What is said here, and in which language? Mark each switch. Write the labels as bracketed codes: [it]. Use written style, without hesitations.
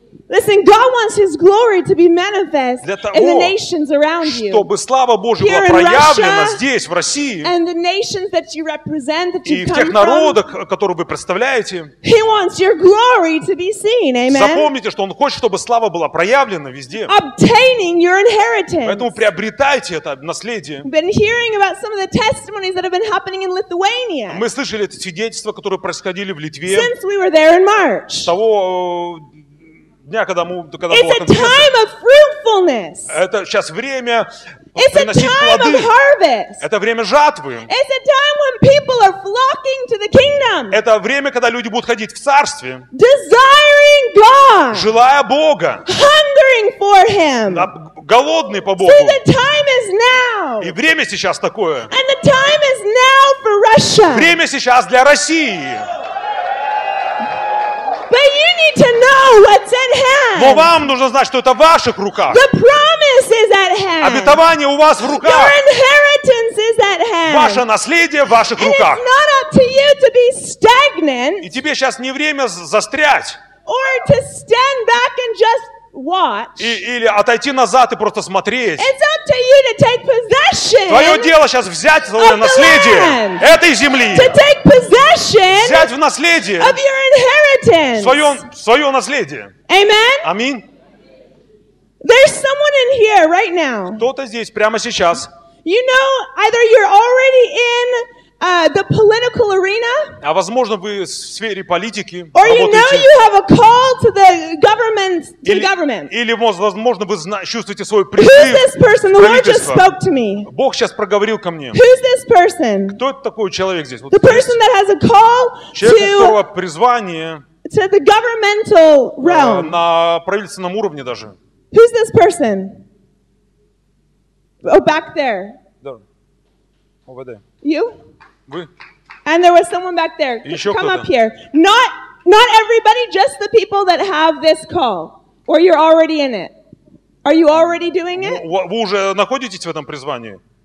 [en] Listen, God wants His glory to be manifest in the nations around you. [ru] Чтобы слава Божья была проявлена здесь, в России. [en] And the nations that you represent, that you come from. [ru] И в тех народах, которые вы представляете. [en] He wants your glory to be seen. Amen. [ru] Запомните, что Он хочет, чтобы слава была проявлена везде. [en] Obtaining your inheritance. [ru] Поэтому приобретайте это наследие. [en] Been hearing about some of the testimonies that have been happening in Lithuania. [ru] Мы слышали эти свидетельства, которые происходили в Литве. [en] Since we were there in March. [ru] Дня, когда мы, когда [en] It's a time of fruitfulness. [ru] Это сейчас время [en] It's [ru] приносить плоды. [en] Of harvest. [ru] Это время жатвы. [en] It's a time when people are flocking to the kingdom. [ru] Это время, когда люди будут ходить в царстве. [en] Desiring God. [ru] Желая Бога. [en] Hungering for Him. [ru] Голодный по Богу. [en] So the time is now. [ru] И время сейчас такое. [en] And the time is now for Russia. [ru] Время сейчас для России. [en] But you need to know what's at hand. [ru] Но вам нужно знать, что это в ваших руках. [en] The promise is at hand. [ru] Обетование у вас в руках. [en] Your inheritance is at hand. [ru] Ваше наследие в ваших [en] And [ru] руках. [en] It's not up to you to be stagnant. [ru] И тебе сейчас не время застрять. [en] Or to stand back and just watch. [ru] Или отойти назад и просто смотреть. [en] It's up to you to take possession. [ru] Твое дело сейчас взять свое наследие этой земли. [en] To take possession. [ru] Взять в наследие. [en] Of your inheritance. [ru] Свое наследие. [en] Amen. [ru] Аминь. [en] There's someone in here right now. [ru] Кто-то здесь прямо сейчас. [en] You know, either you're already in the political arena, [ru] а возможно вы в сфере политики [en] or [ru] работаете, [en] you know you have a call to the government, to [ru] или, [en] the government. [ru] Или возможно вы чувствуете свой призыв. [en] Who's this person? The Lord just spoke to me. [ru] Бог сейчас проговорил ко мне. [en] Who's this person? [ru] Кто это такой человек здесь? [en] The person that has a call [ru] человек, у которого призвание [en] to the governmental realm. [ru] На правительственном уровне даже. [en] Who's this person? Oh, back there. Over there. You? [ru] Вы? [en] And there was someone back there. Come up here. Not everybody, just the people that have this call. Or you're already in it. Are you already doing it? [ru] Вы уже находитесь в этом призвании?